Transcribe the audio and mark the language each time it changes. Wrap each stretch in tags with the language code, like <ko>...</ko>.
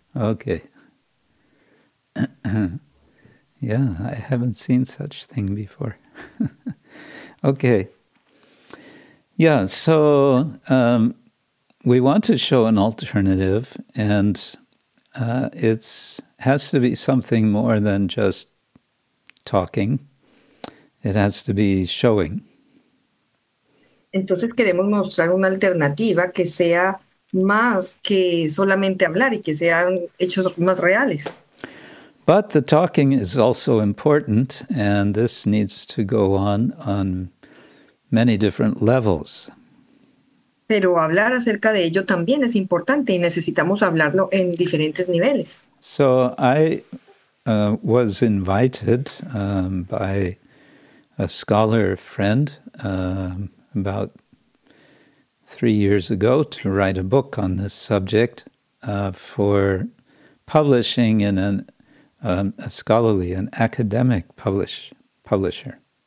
<en>Okay. Yeah, I haven't seen such thing before. Okay. Yeah, so we want to show an alternative, and it's has to be something more than just talking. It has to be showing.</en> <es>Entonces queremos mostrar una alternativa que sea más que solamente hablar y que sean hechos más reales.</es> <en>But the talking is also important, and this needs to go on many different levels.</en> <es>Pero hablar acerca de ello también es importante y necesitamos hablarlo en diferentes niveles.</es> <en>So I was invited by a scholar friend about 3 years ago to write a book on this subject for publishing in a scholarly, an academic publisher.</en>